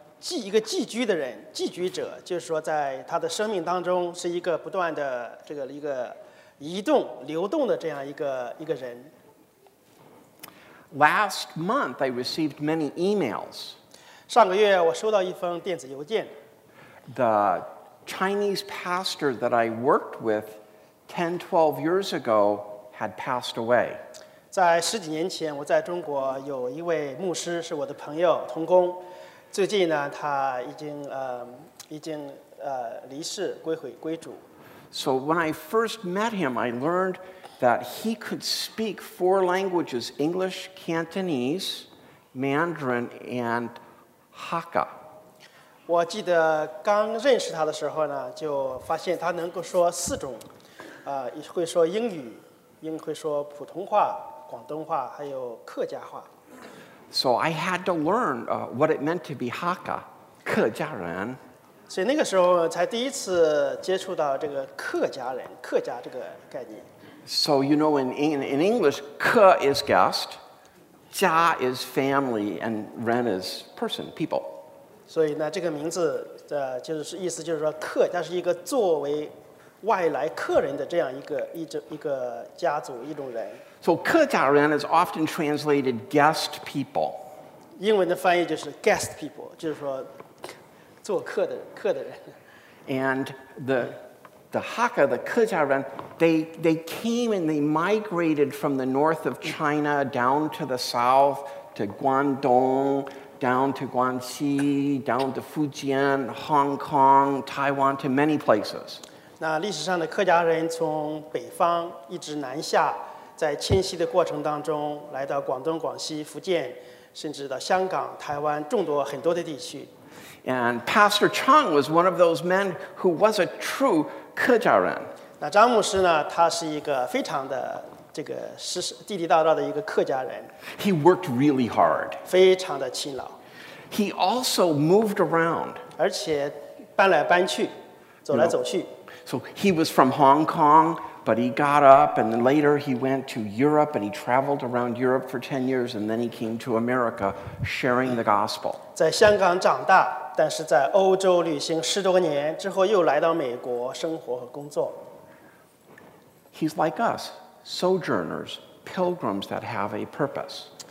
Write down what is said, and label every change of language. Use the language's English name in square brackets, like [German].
[Chinese] 一个寄居的人，寄居者，就是说在他的生命当中是一个不断的这个一个移动、流动的这样一个人。 [English] Last month, I received many emails. [Chinese] 上个月我收到一封电子邮件。 [English] The Chinese pastor that I worked with 10-12 years ago had passed away. [Chinese] 在十几年前，我在中国有一位牧师是我的朋友，同工。最近呢，他已经离世，归主。 [English] So when I first met him, I learned that he could speak four languages: English, Cantonese, Mandarin, and Hakka. [Chinese] 我记得刚认识他的时候呢，就发现他能够说四种，会说英语，英会说普通话、广东话，还有客家话。 [English] So I had to learn what it meant to be Hakka, 客家人。 [Chinese] 所以那个时候才第一次接触到这个客家人、客家这个概念。 [English] So you know, in English, 客 is guest, 家 is family, and 人 is person, people. [Chinese] 所以呢，这个名字的就是意思就是说，客它是一个作为外来客人的这样一个家族一种人。 [English] So 客家人 is often translated guest people. [Chinese] 英文的翻译就是 guest people, 就是说做客的人。 [English] And the Hakka, the 客家人, they came and they migrated from the north of China down to the south, to Guangdong, down to Guangxi, down to Fujian, Hong Kong, Taiwan, to many places. [Chinese] 那历史上的客家人从北方一直南下在迁徙的过程当中来到广东、广西、福建甚至到香港、台湾众多很多的地区。 [English] And Pastor Chang was one of those men who was a true 客家人。 [Chinese] 那张牧师呢，他是一个非常的这个实实地地道道的一个客家人。 [English] He worked really hard. [Chinese] 非常的勤劳。 [English] He also moved around. [Chinese] 而且搬来搬去，走来走去。 [English] No. So he was from Hong Kong. But he got up, and then later he went to Europe, and he traveled around Europe for 10 years, and then he came to America, sharing the gospel. [Chinese] 在香港长大，但是在欧洲旅行十多年之后，又来到美国生活和工作。 [English] He's like us, sojourners, pilgrims that have a purpose.